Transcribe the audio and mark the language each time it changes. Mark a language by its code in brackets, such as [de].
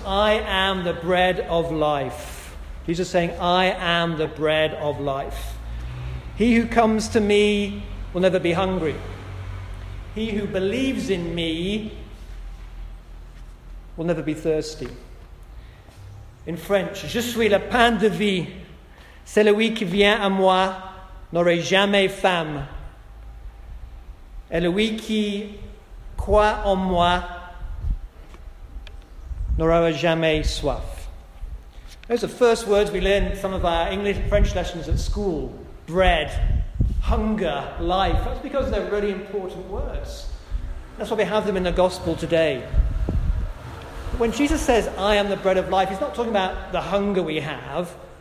[en] I am the bread of life. Jesus saying, I am the bread of life. He who comes to me will never be hungry. He who believes in me will never be thirsty. In French, [fr] je suis le pain de vie. Celui qui vient à moi n'aurait jamais faim. Et celui qui croit en moi n'aura jamais soif. [en] Those are the first words we learn in some of our English and French lessons at school. Bread, hunger, life. That's because they're really important words. That's why we have them in the gospel today. When Jesus says, I am the bread of life, he's not talking about the hunger we have.